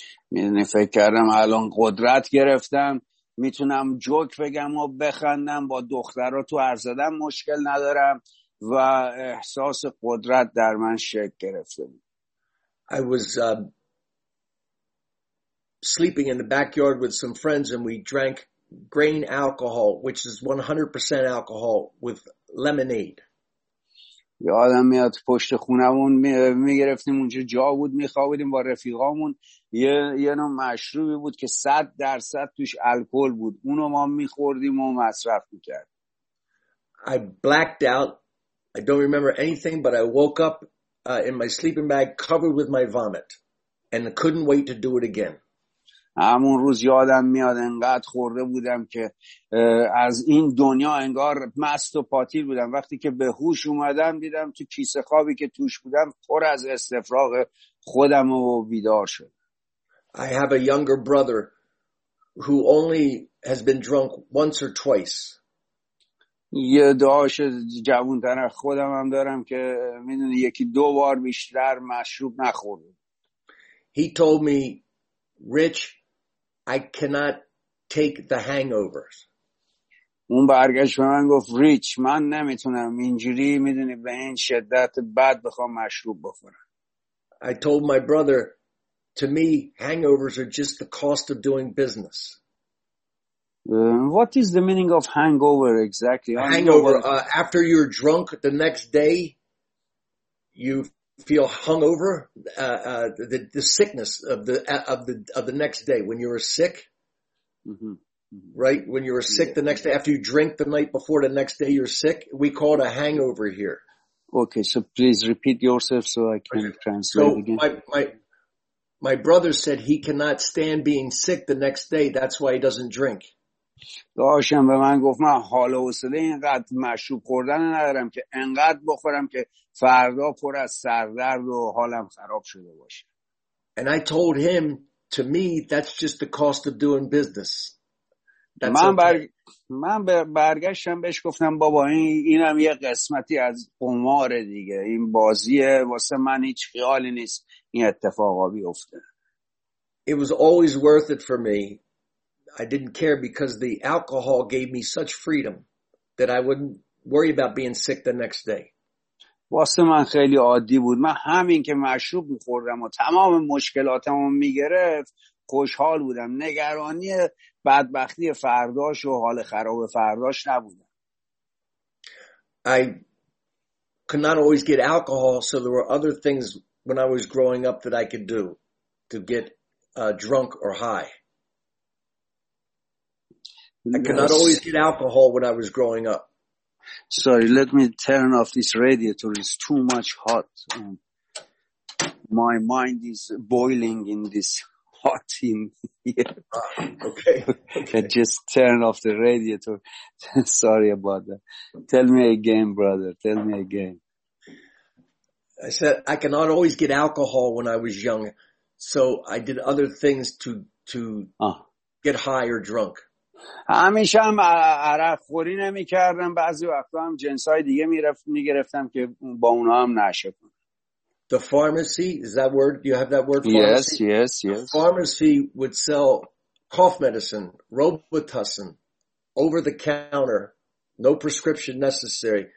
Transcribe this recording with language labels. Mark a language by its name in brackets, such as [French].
[Persian] میدونی فکر کردم الان قدرت گرفتم میتونم جوک بگم و بخندم با دخترها تو عرض دادم مشکل ندارم و احساس قدرت در من شکل گرفته. [English] I was sleeping in the backyard with some friends and we drank grain alcohol which is 100% alcohol with lemonade. [Persian] یادم میاد پشت خونمون میگرفتیم اونجا جا بود میخوابیدیم با رفیقامون یه نوع مشروبی بود که 100% توش الکل بود اونو ما میخوردیم و مصرف میکرد. [English] I blacked out. I don't remember anything but I woke up in my sleeping bag covered with my vomit and I couldn't wait to do it again. [Persian] همون روز یادم میاد انقدر خورده بودم که از این دنیا انگار مست و پاتیل بودم. وقتی که به هوش اومدم دیدم تو کیسه خوابی که توش بودم پر از استفراغ خودم و بیدار شد. [English] I have a younger brother who only has been drunk once or twice. [Persian] یه داداش جوان‌تر خودم هم دارم که میدونی یکی دو بار بیشتر مشروب نخورده. [English] He told me, Rich, I cannot take the hangovers. [Persian] اون برگشت به من گفت ریچ من نمیتونم اینجوری میدونی به این شدت بعد بخوام مشروب بخورم. [English] I told my brother, to me, hangovers are just the cost of doing business. What is the meaning of hangover exactly? Hangover, after you're drunk the next day, you feel hungover, the sickness of the next day when you were sick, mm-hmm. Right? When you were sick, yeah. The next day, after you drink the night before, the next day you're sick. We call it a hangover here. Okay, so please repeat yourself so I can translate so again. My brother said he cannot stand being sick the next day. That's why he doesn't drink. [Persian] داشتم به من گفت من حال و حوصله اینقدر مشروب خوردن ندارم که انقدر بخورم که فردا پر از سردرد و حالم خراب شده باشه. [English] And I told him, to me, that's just the cost of doing business. [Persian] من برگشتم بهش گفتم بابا اینم یه قسمتی از قمار دیگه. این بازیه واسه من هیچ خیالی نیست این اتفاقا بیفته. [English] It was always worth it for me. I didn't care because the alcohol gave me such freedom that I wouldn't worry about being sick the next day. [Persian] واسه من خیلی عادی بود. من همین که مشروب می‌خوردم و تمام مشکلاتمو می‌گرفت، خوشحال بودم. نگرانی بدبختی فرداش و حال خراب فرداش نبودم. [English] I could not always get alcohol, so there were other things when I was growing up that I could do to get drunk or high. I cannot always get alcohol when I was growing up. Sorry, let me turn off this radiator. It's too much hot. My mind is boiling in this hot in here. Okay. I just turn off the radiator. Sorry about that. Tell me again, brother. Tell me again. I said, I cannot always get alcohol when I was young. So I did other things to get high or drunk. [Persian] همیشه هم عرق خوری نمی کردم بعضی وقتا هم جنس های دیگه می گرفتم که با اونا هم نشه کنم. [English] The pharmacy, is that word? Do you have that word, pharmacy? Yes, yes, yes. The pharmacy would sell cough medicine, Robitussin, over the counter, no prescription necessary.